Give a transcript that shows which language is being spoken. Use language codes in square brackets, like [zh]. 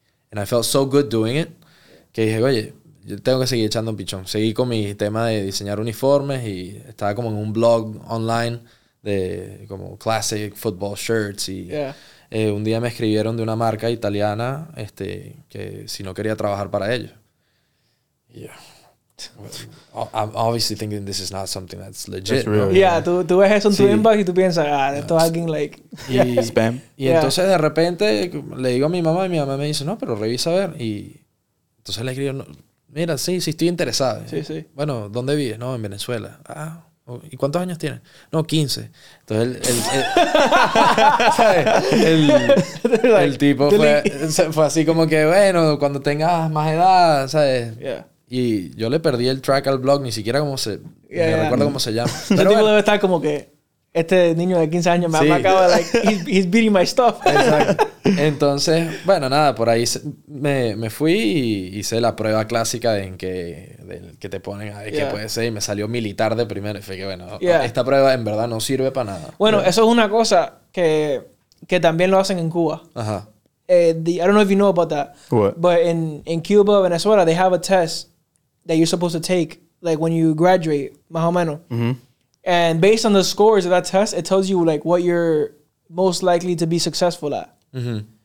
[en] And I felt so good doing it [es] que dije, oye, yo tengo que seguir echando un pichón. Seguí con mi tema de diseñar uniformes y estaba como en un blog online de como [en] classic football shirts. [es] Y [en] yeah. [es] Un día me escribieron de una marca italiana que si no quería trabajar para ellos. [en] Yeah. I'm obviously thinking this is not something that's legit. [es] real, yeah, tú ves eso en tu inbox y tú piensas, esto es alguien like... Y, spam. Y yeah. Entonces de repente le digo a mi mamá me dice, no, pero revisa a ver. Y entonces le escribo, no, mira, sí, estoy interesado. Sí, sí. Bueno, ¿dónde vives? No, en Venezuela. Ah, ¿y cuántos años tienes? No, 15. Entonces el tipo fue así como que, bueno, cuando tengas más edad, ¿sabes? [en] Yeah. [es] Y yo le perdí el track al blog, ni siquiera cómo se... Yeah, me recuerdo cómo se llama. Pero el tipo debe estar como que... Este niño de 15 años me acaba de... [en] Like, he's beating my stuff. [es] Exacto. Entonces, bueno, nada, por ahí me fui y hice la prueba clásica de en que... que te ponen a ver qué puede ser. Y me salió militar de primero. Y fue que, bueno, esta prueba en verdad no sirve para nada. Bueno, eso es una cosa que también lo hacen en Cuba. Ajá. [en] I don't know if you know about that. What? But in Cuba, Venezuela, they have a test that you're supposed to take, like, when you graduate, [es] más o menos. Mm-hmm. [en] And based on the scores of that test, it tells you, like, what you're most likely to be successful at. Mm-hmm.